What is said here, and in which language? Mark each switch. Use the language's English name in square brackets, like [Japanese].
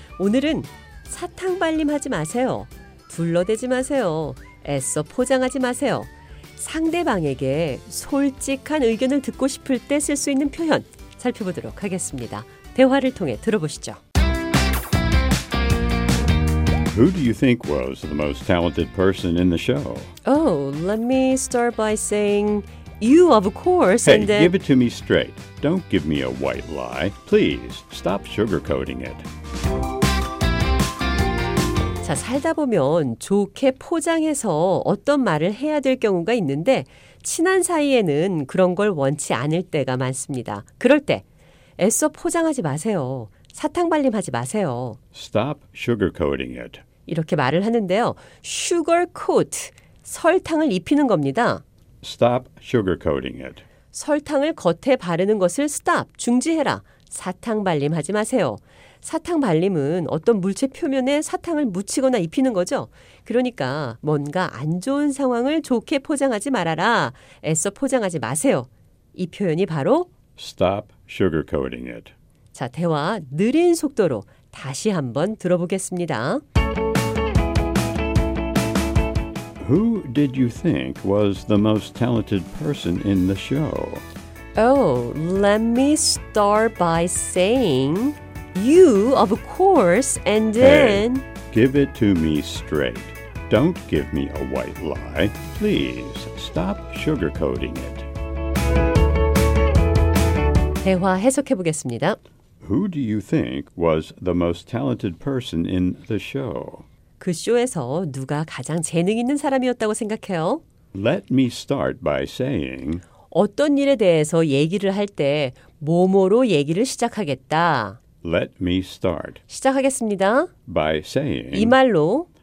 [Korean] 오늘은 사탕 발림하지 마세요. 둘러대지 마세요. 애써 포장하지 마세요. 상대방에게 솔직한 의견을 듣고 싶을 때 쓸 수 있는 표현 살펴보도록 하겠습니다. 대화를 통해 들어보시죠. [English] Who do you think was the most talented person in the show? Oh, let me start by saying... You, of course, hey, and then... Hey, give it to me straight. Don't give me a white lie. Please, stop sugarcoating it. [Korean] 자, 살다 보면 좋게 포장해서 어떤 말을 해야 될 경우가 있는데 친한 사이에는 그런 걸 원치 않을 때가 많습니다. 그럴 때 애써 포장하지 마세요. 사탕발림하지 마세요. [English] Stop sugarcoating it. [Korean] 이렇게 말을 하는데요. Sugarcoat, 설탕을 입히는 겁니다. [English] Stop sugarcoating it. [Korean] 설탕을 겉에 바르는 것을 stop, 중지해라. 사탕발림하지 마세요. 사탕발림은 어떤 물체 표면에 사탕을 묻히거나 입히는 거죠. 그러니까 뭔가 안 좋은 상황을 좋게 포장하지 말아라. 애써 포장하지 마세요. 이 표현이 바로 [English] Stop sugarcoating it. [Korean] 자, 대화 느린 속도로 다시 한번 들어보겠습니다. [English] Who did you think was the most talented person in the show? Oh, let me start by saying you, of course, and then... Hey, give it to me straight. Don't give me a white lie. Please, stop sugarcoating it. [Korean] 대화 해석해 보겠습니다. [English] Who do you think was the most talented person in the show? [Korean] 그 쇼에서 누가 가장 재능 있는 사람이었다고 생각해요? [English] Let me start by saying [Korean] 어떤 일에 대해서 얘기를 할 때 뭐뭐로 얘기를 시작하겠다. [English] Let me start [Korean] 시작하겠습니다. [English] By saying [Korean] 이 말로